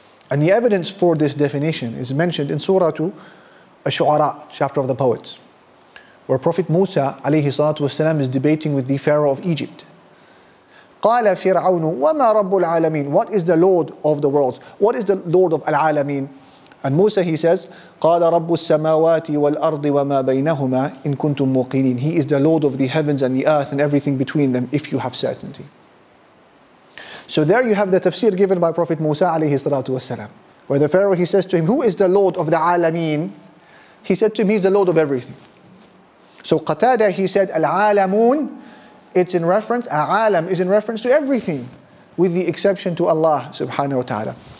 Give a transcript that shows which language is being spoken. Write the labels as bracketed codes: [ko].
[en] And the evidence for this definition is mentioned in Surah Ash-Shu'ara, chapter of the poets, where Prophet Musa alayhi salatu wasalam is debating with the Pharaoh of Egypt. [ar] Qala fir'aunu wa ma rabbul alameen. [en] What is the Lord of the worlds? What is the Lord of al-alameen? And Musa, he says, [ar] قَالَ رَبُّ السَّمَاوَاتِ وَالْأَرْضِ وَمَا بَيْنَهُمَا إِن كُنْتُم مُقِينِينَ. [en] He is the Lord of the heavens and the earth and everything between them, if you have certainty. So there you have the tafsir given by Prophet Musa alayhi salatu wasalam, where the Pharaoh, he says to him, who is the Lord of the alameen? He said to him, he's the Lord of everything. So Qatada, he said, al-alamun, it's in reference, al-alam is in reference to everything, with the exception to Allah subhanahu wa ta'ala.